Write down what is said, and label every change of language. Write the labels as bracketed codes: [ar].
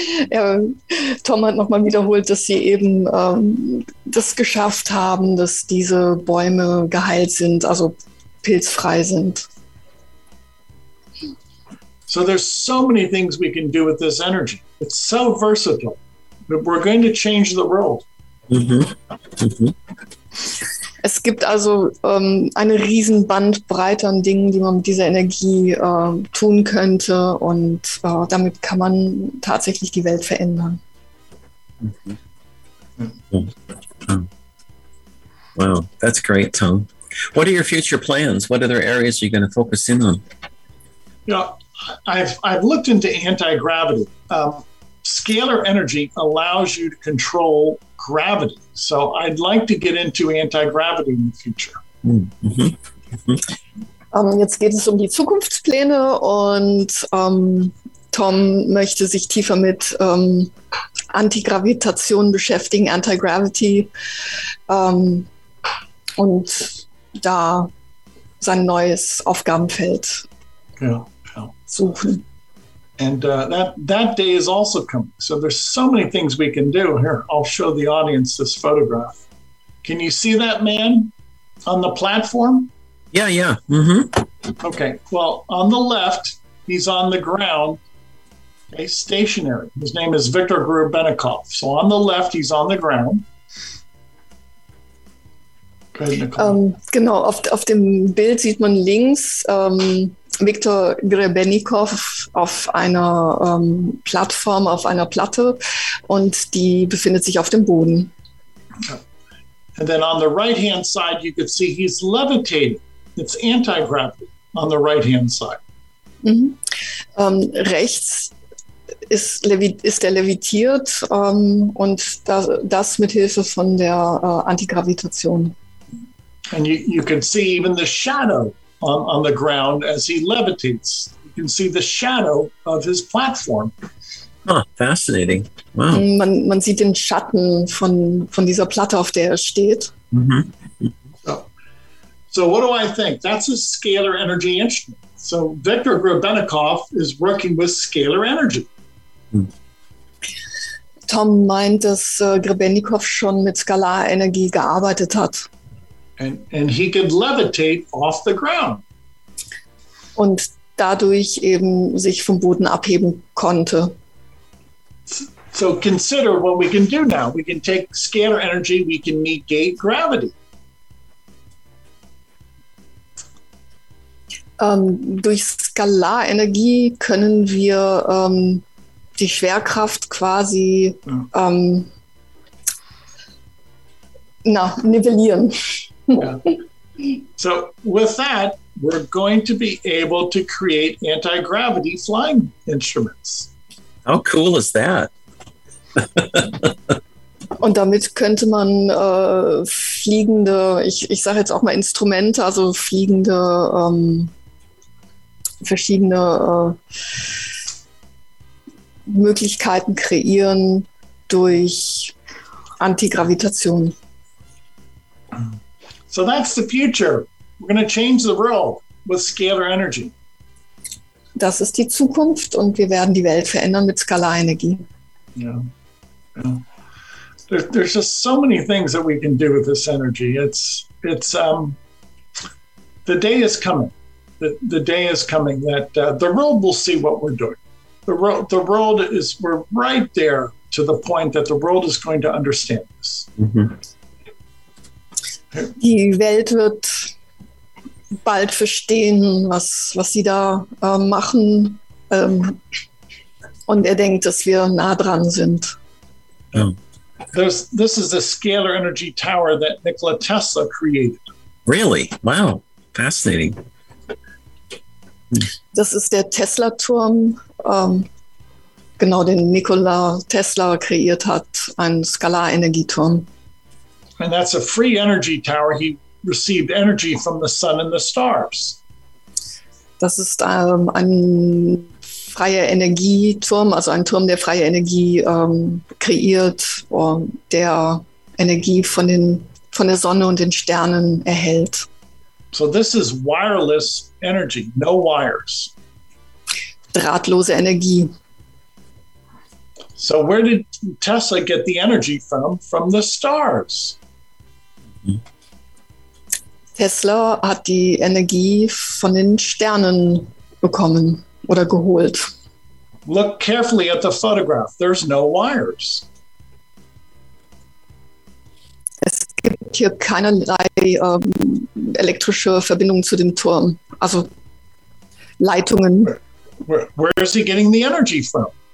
[de] Ja, Tom hat nochmal wiederholt, dass sie eben das geschafft haben, dass diese Bäume geheilt sind, also pilzfrei sind. [en] So there's so many things we can do with this energy. It's so versatile. We're going to change the world. [de] Es gibt also eine riesen Bandbreite an Dingen, die man mit dieser Energie tun könnte, und damit kann man tatsächlich die Welt verändern. [en] Wow, that's great, Tom. What are your future plans? What other areas are you going to focus in on? Yeah, I've looked into anti-gravity. Scalar energy allows you to control gravity. So I'd like to get into anti-gravity in the future. [de] Jetzt geht es um die Zukunftspläne, und Tom möchte sich tiefer mit Antigravitation beschäftigen, Anti-Gravity, und da sein neues Aufgabenfeld suchen. [en] And that day is also coming. So there's so many things we can do. Here, I'll show the audience this photograph. Can you see that man on the platform? Yeah, yeah. Mm-hmm. Okay, well, on the left, he's on the ground, okay, stationary. His name is Viktor Grubenikov. So on the left, he's on the ground. Go ahead, Nicole. [de] Genau, auf dem Bild sieht man links Viktor Grubenikov auf einer Plattform, auf einer Platte, und die befindet sich auf dem Boden. [en] And then on the right-hand side, you could see he's levitating. It's anti-gravity on the right-hand side. Mm-hmm. [de] Rechts ist er levitiert, und das mit Hilfe von der Antigravitation. [en] And you can see even the shadow on the ground as he levitates. You can see the shadow of his platform. Oh, fascinating. Wow. [de] Man sieht den Schatten von dieser Platte, auf der er steht. [en] Mm-hmm. So what do I think? That's a scalar energy instrument. So Viktor Grubenikov is working with scalar energy. [de] Tom meint, dass Grebennikov schon mit Skalarenergie gearbeitet hat. [en] And he could levitate off the ground. [de] Und dadurch eben sich vom Boden abheben konnte. [en] So consider what we can do now. We can take scalar energy, we can negate gravity. [de] Durch Skalarenergie können wir die Schwerkraft quasi nivellieren. [en] So with that, we're going to be able to create anti-gravity flying instruments. How cool is that? [de] Und damit könnte man fliegende, ich sage jetzt auch mal Instrumente, also fliegende verschiedene Möglichkeiten kreieren durch Antigravitation. [en] So that's the future. We're going to change the world with scalar energy. [de] Das ist die Zukunft und wir werden die Welt verändern mit Skalarenergie. [en] Yeah. Yeah. There's just so many things that we can do with this energy. It's the day is coming. The day is coming that the world will see what we're doing. The world is, we're right there to the point that the world is going to understand this. Mm-hmm. [de] Die Welt wird bald verstehen, was sie da machen. Und denkt, dass wir nah dran sind. Oh. [en] This is a scalar energy tower that Nikola Tesla created. Really? Wow. Fascinating. [de] Das ist der Tesla-Turm, genau, den Nikola Tesla kreiert hat, ein Skalarenergieturm. [en] And that's a free energy tower. He received energy from the sun and the stars. [de] Das ist ein freier Energieturm, also ein Turm, der freie Energie kreiert, der Energie von der Sonne und den Sternen erhält. [en] So this is wireless energy, no wires. [de] Drahtlose Energie. [en] So where did Tesla get the energy from? From the stars. [de] Tesla hat die Energie von den Sternen bekommen oder geholt. [en] Look carefully at the photograph. There's no wires. [de] Es gibt hier keinerlei elektrische Verbindungen zu dem Turm, also Leitungen. [en] Where is he getting the energy from?